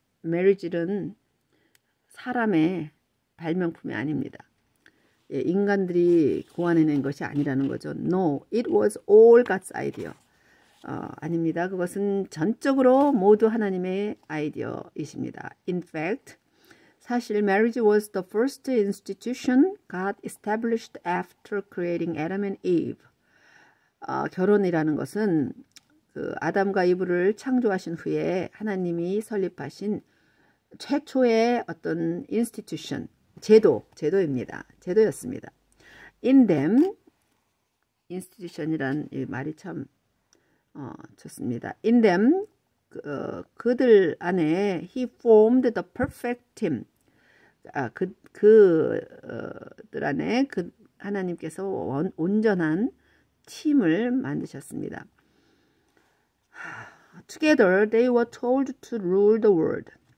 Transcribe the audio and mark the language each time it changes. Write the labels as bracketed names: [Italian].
[Korean] 메리지는 사람의 발명품이 아닙니다. 예, 인간들이 고안해낸 것이 아니라는 거죠. [English] No, it was all God's idea. [Korean] 아닙니다. 그것은 전적으로 모두 하나님의 아이디어이십니다. [English] In fact, [Korean] 사실 [English] marriage was the first institution God established after creating Adam and Eve. [Korean] 결혼이라는 것은 그 아담과 이브를 창조하신 후에 하나님이 설립하신 최초의 어떤 institution. 제도입니다. 제도였습니다. [English] In them, [Korean] institution이란 이 말이 참 좋습니다. In them, 그들 안에 [English] he formed the perfect team. [Korean] 아, 그들 안에 그 하나님께서 온전한 팀을 만드셨습니다. [English] Together they were told to rule the world.